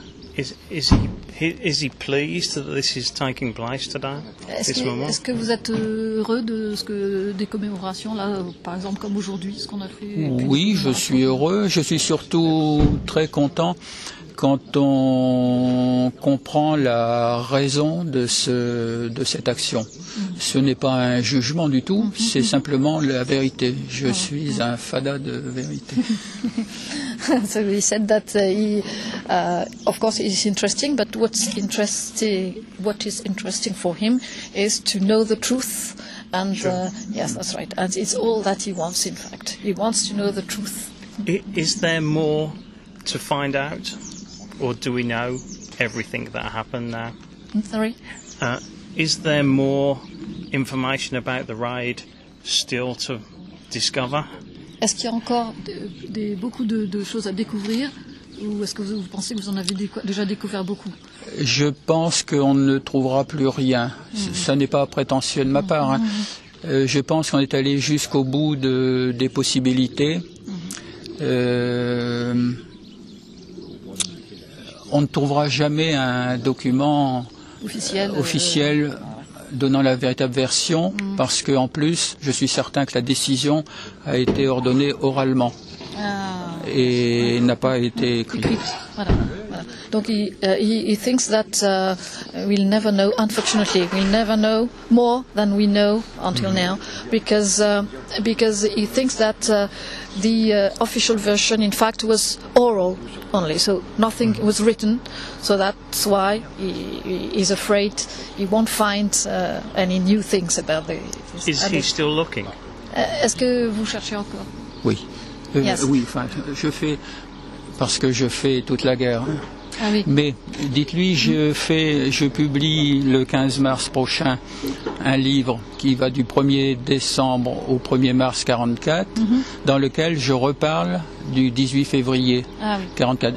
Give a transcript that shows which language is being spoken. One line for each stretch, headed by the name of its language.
English: Is he pleased that this is taking place today?
French: Est-ce que vous êtes heureux de des commémorations là, par exemple comme aujourd'hui, ce qu'on a fait? Oui, je suis heureux. Je suis surtout très content quand on comprend la raison de cette action. Ce n'est pas un jugement du tout, c'est simplement la vérité. Je suis un fada de vérité.
English: So he said that of course it is interesting, but what is interesting for him is to know the truth. And sure. Yes, that's right. And it's all that he wants, in fact. He wants to know the truth. Is there more to find out, or do we know everything that happened now? I'm sorry? Is there more information about the ride still to discover?
French: Est-ce qu'il y a encore beaucoup de choses à découvrir, ou est-ce que vous pensez que vous en avez déjà découvert beaucoup? Je pense qu'on ne trouvera plus rien. Ça n'est pas prétentieux de ma part. Je pense qu'on est allé jusqu'au bout des possibilités. On ne trouvera jamais un document officiel donnant la véritable version, parce que en plus, je suis certain que la décision a été ordonnée oralement et n'a pas été écrite.
English: Donc, he thinks that we'll never know. Unfortunately, we'll never know more than we know until now, because he thinks that the official version, in fact, was oral only, so nothing was written. So that's why he's afraid he won't find any new things about the. Is he still looking?
French: Est-ce que vous cherchez encore? Oui. Oui. Enfin, je fais parce que je fais toute la guerre. Mais dites-lui, je publie le 15 mars prochain un livre qui va du 1er décembre au 1er mars 44, dans lequel je reparle du 18 février 44.